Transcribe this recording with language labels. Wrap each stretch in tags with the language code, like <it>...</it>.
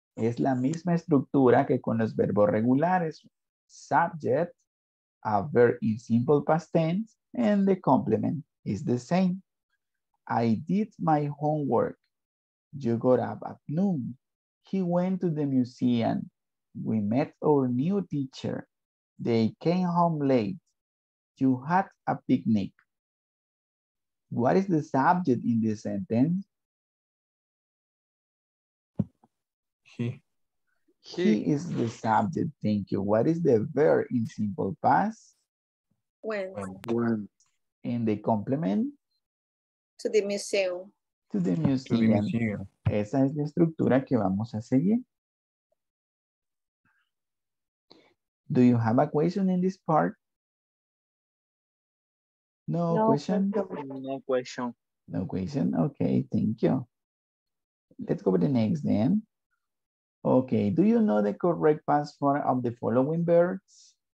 <es>Es la misma estructura que con los verbos regulares.</es> <en>Subject, a verb in simple past tense, and the complement is the same. I did my homework. You got up at noon. He went to the museum. We met our new teacher. They came home late. You had a picnic. What is the subject in this sentence? He. He is the subject, thank you. What is the verb in simple past? When. When. And the complement? To the museum. To the museum. To the museum.</en> <es>Esa es la estructura que vamos a seguir.</es> <en>Do you have a question in this part? No, no question? No question. No question? Okay, thank you. Let's go to the next then. Okay, do you know the correct past form of the following verbs?</en>